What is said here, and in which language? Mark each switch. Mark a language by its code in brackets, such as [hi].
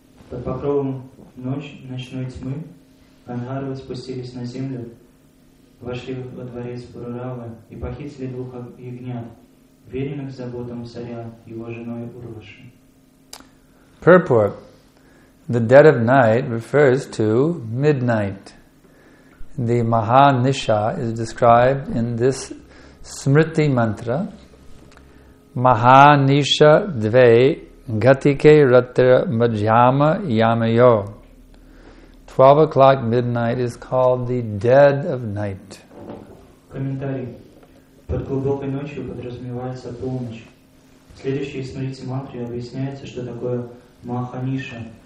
[ru] Под покровом ночной тьмы Гандхарвы спустились на землю, вошли во дворец Пурурава и похитили двух ягнят, веренных заботам царя его женой Урваши. [en] Purport. The dead of night refers to midnight. The Mahanisha is described in this Smriti mantra. [sa] Mahanisha dve gatike ratra madhyama yamayo. [en] 12 o'clock midnight is called the dead of night. [ru] Комментарий. Под глубокой ночью подразумевается полночь. В следующей Смриti мантре объясняется, что такое Mahanisha.